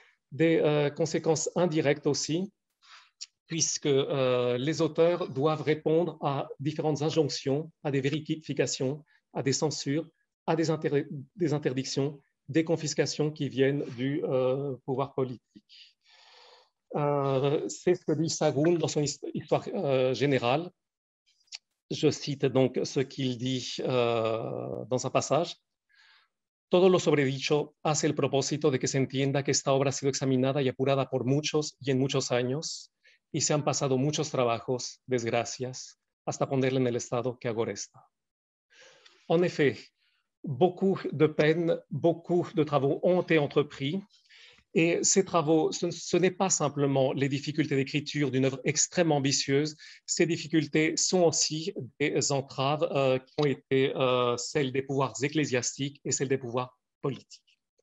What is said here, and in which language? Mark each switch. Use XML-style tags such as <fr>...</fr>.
<fr>Des conséquences indirectes aussi, puisque les auteurs doivent répondre à différentes injonctions, à des vérifications, à des censures, à des interdictions, des confiscations qui viennent du pouvoir politique. C'est ce que dit Sahagún dans son histoire générale. Je cite donc ce qu'il dit dans un passage.</fr> <es>Todo lo sobredicho hace el propósito de que se entienda que esta obra ha sido examinada y apurada por muchos y en muchos años, y se han pasado muchos trabajos, desgracias, hasta ponerla en el estado que ahora está.</es> <fr>En effet, beaucoup de peines, beaucoup de travaux ont été entrepris. Et ces travaux, ce n'est pas simplement les difficultés d'écriture d'une œuvre extrêmement ambitieuse, ces difficultés sont aussi des entraves qui ont été celles des pouvoirs ecclésiastiques et celles des pouvoirs politiques.</fr>